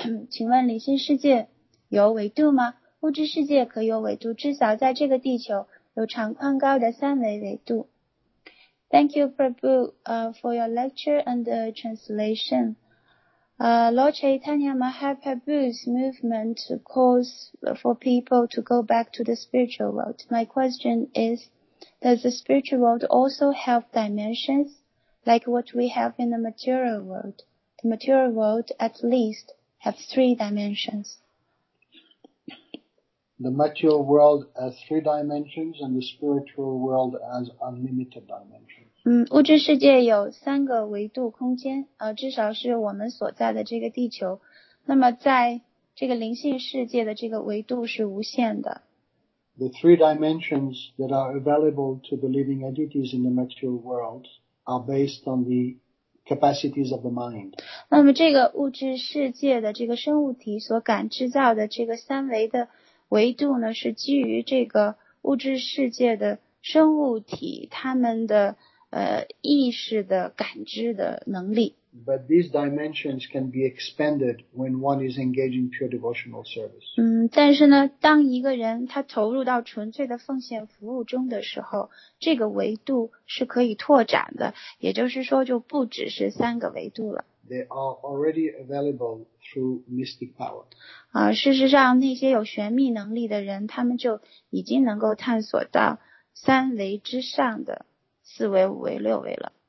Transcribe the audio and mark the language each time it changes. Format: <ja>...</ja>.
<zh>请问灵性世界有维度吗？物质世界可有维度，至少在这个地球有长宽高的三维维度。</zh> <en>Thank you, Prabhu, for your lecture and the translation. Lord Chaitanya Mahaprabhu's movement calls for people to go back to the spiritual world. My question is, does the spiritual world also have dimensions like what we have in the material world? The material world at least have three dimensions. The material world has three dimensions and the spiritual world has unlimited dimensions.</en> <zh>物质世界有三个维度空间，至少是我们所在的这个地球。那么在这个灵性世界的这个维度是无限的。</zh> <en>The three dimensions that are available to the living entities in the material world are based on the capacities of the mind.</en> <zh>那么这个物质世界的这个生物体所感知到的这个三维的维度呢，是基于这个物质世界的生物体他们的意识的感知的能力。</zh> <en>But these dimensions can be expanded when one is engaged in pure devotional service.</en> <zh>但是呢，当一个人他投入到纯粹的奉献服务中的时候，这个维度是可以拓展的，也就是说就不只是三个维度了。</zh> <en>They are already available through mystic power.</en> <zh>事实上那些有玄秘能力的人，他们就已经能够探索到三维之上的四维、五维、六维了。</zh>